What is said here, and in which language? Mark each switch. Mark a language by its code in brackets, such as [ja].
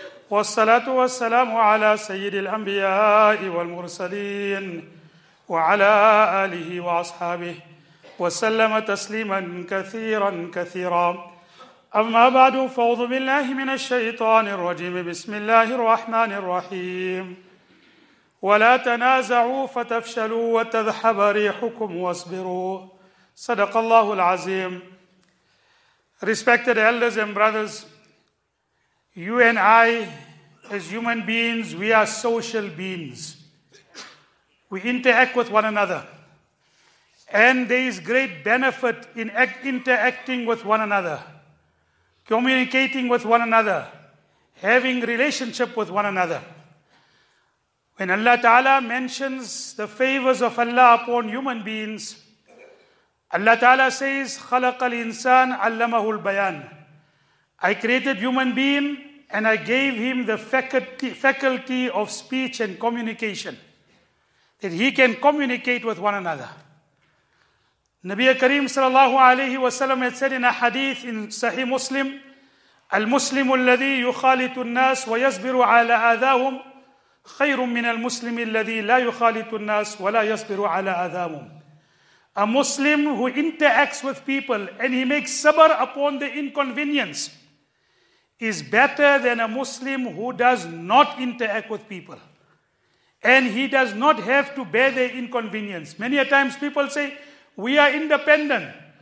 [ar] والصلاة والسلام على سيد الأنبياء والمرسلين وعلى آله وأصحابه وسلم تسليما كثيرا كثيرا أما بعد فأعوذ بالله من الشيطان الرجيم بسم الله الرحمن الرحيم ولا تنازعوا فتفشلوا وتذهب ريحكم واصبروا صدق الله العظيم. [en] Respected elders and brothers, you and I, as human beings, we are social beings. We interact with one another. And there is great benefit in interacting with one another, communicating with one another, having relationship with one another. When Allah Ta'ala mentions the favors of Allah upon human beings, Allah Ta'ala says, [ar] خَلَقَ الْإِنسَانَ عَلَّمَهُ الْبَيَانَ. [en] I created human being and I gave him the faculty of speech and communication, that he can communicate with one another. [ar] Nabi Kareem sallallahu alayhi wa sallam [en] had said in a hadith in Sahih Muslim, [ar] الْمُسْلِمُ الَّذِي يُخَالِطُ النَّاسِ وَيَصْبِرُ عَلَىٰ أَذَاهُمْ خَيْرٌ مِّنَ الْمُسْلِمِ الَّذِي لَا يُخَالِطُ النَّاسِ وَلَا يَصْبِرُ عَلَىٰ أَذَاهُمْ. [en] A Muslim who interacts with people and he makes sabr upon the inconvenience is better than a Muslim who does not interact with people. And he does not have to bear the inconvenience. Many a times people say, we are independent.